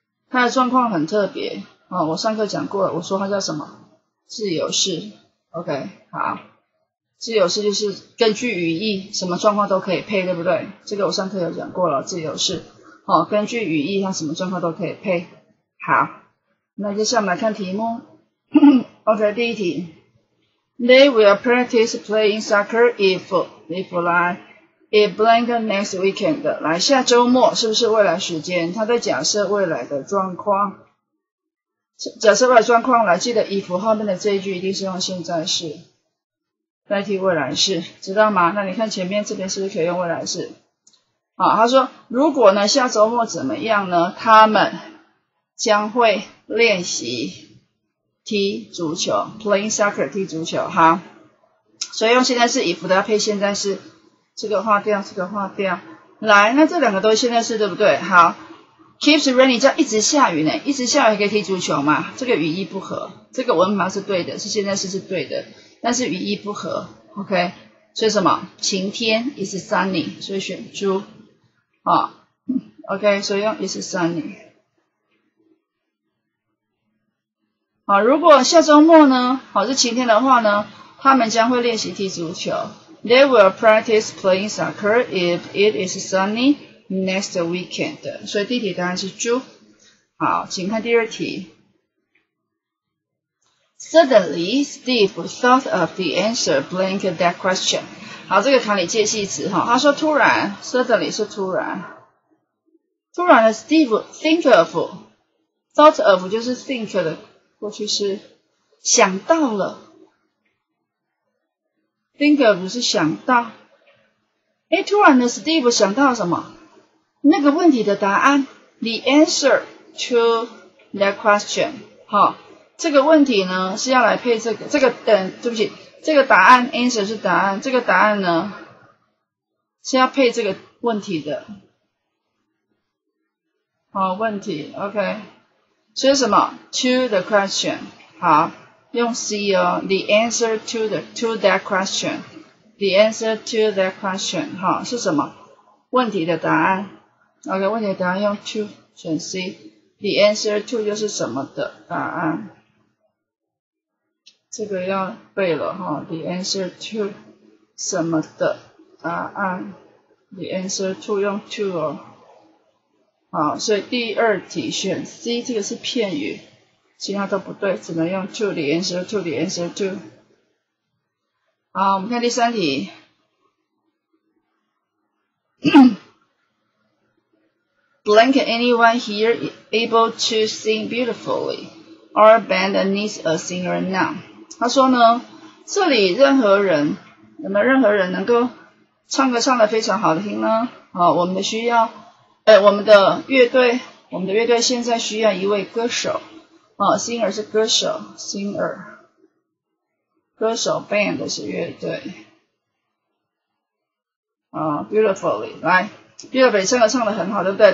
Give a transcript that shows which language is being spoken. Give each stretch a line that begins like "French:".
Chinese: 它的状况很特别啊，我上课讲过了，我说它叫什么？自由式。OK， 好。自由式就是根据语义什么状况都可以配，对不对？这个我上课有讲过了，自由式、哦、根据语义它什么状况都可以配。好，那接下来我们来看题目。
English: OK，
Chinese: 第一题
English: They will practice playing soccer if 来 if blank next weekend
Chinese: 来下周末，是不是未来时间？它在假设未来的状况，假设未来状况来，记得 if 后面的这一句一定是用现在式代替未来式，知道吗？那你看前面这边是不是可以用未来式？好，他说如果呢下周末怎么样呢？他们将会练习踢足球 ，
English: playing soccer
Chinese: 踢足球。好，所以用现在式 if 搭配现在式，这个划掉，这个划掉。来，那这两个都是现在式，对不对？好 ，
English: keeps raining
Chinese: 叫一直下雨呢，一直下雨还可以踢足球吗？这个语义不合，这个文法是对的，是现在式是对的。但是语义不合 ，OK， 所以什么晴天
English: is sunny，
Chinese: 所以选猪啊 ，OK， 所以用 is sunny。好，如果下周末呢，好是晴天的话呢，他们将会练习踢足球。
English: They will practice playing soccer if it is sunny next weekend。
Chinese: 所以第一题答案是猪。好，请看第二题。
English: Suddenly, Steve thought of the answer blank that question.
Chinese: 好，这个考你介系词哈。他说突然 ，suddenly 是突然。突然的 ，
English: Steve think of thought of
Chinese: 就是 think 的过去式，想到了。 think of 是想到。哎，突然的 ，Steve 想到什么？那个问题的答案 ，
English: the answer to that question。
Chinese: 好。这个问题呢是要来配这个答案 answer 是答案，这个答案呢是要配这个问题的。好，问题 OK， 所以什么
English: to the question，
Chinese: 好，用 C 哦
English: the answer to that question，
Chinese: the answer to that question， 好，是什么问题的答案 OK， 问题的答案用 to 选 C， the answer to 又是什么的答案，这个要背了哈 ，
English: the answer to
Chinese: 什么的答案 ，the answer to 用 to 哦，好，所以第二题选 C， 这个是片语，其他都不对，只能用 to，the answer to，the answer to。好，我们看第三题。
English: Blank anyone here able to sing beautifully? Our band needs a singer now.
Chinese: 他说呢，这里任何人，有没有任何人能够唱歌唱得非常好听呢？好、哦，我们的乐队我们的乐队现在需要一位歌手，哦 ，singer 是歌手 ，singer， 歌手 band 是乐队，啊、哦、，
English: beautifully，
Chinese: 来 ，beautifully 唱歌唱得很好，对不对？